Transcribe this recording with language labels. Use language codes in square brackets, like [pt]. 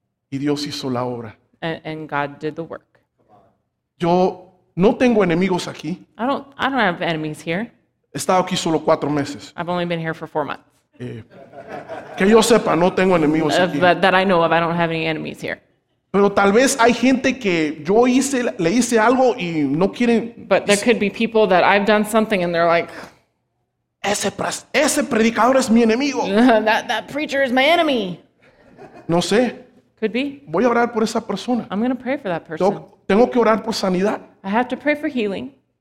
[es] Y Dios hizo la obra. [en] And God did the work. [es] Yo no tengo enemigos aquí. [en] I don't have enemies here. [es] He estado aquí solo 4 meses. [en] I've only been here for 4 months. [es] Que yo sepa, no tengo enemigos aquí. [en] That I know of, I don't have any enemies here. [es] Pero tal vez hay gente que yo hice, le hice algo y no quieren. [en] But there could be people that I've done something and they're like, [es] ese predicador es mi enemigo. [en] that preacher is my enemy. [es] No sé. [en] Could be. [es] Voy a orar por esa persona. [en] I'm going to pray for that person. [es] Tengo que orar por sanidad. [en] I have to pray for healing.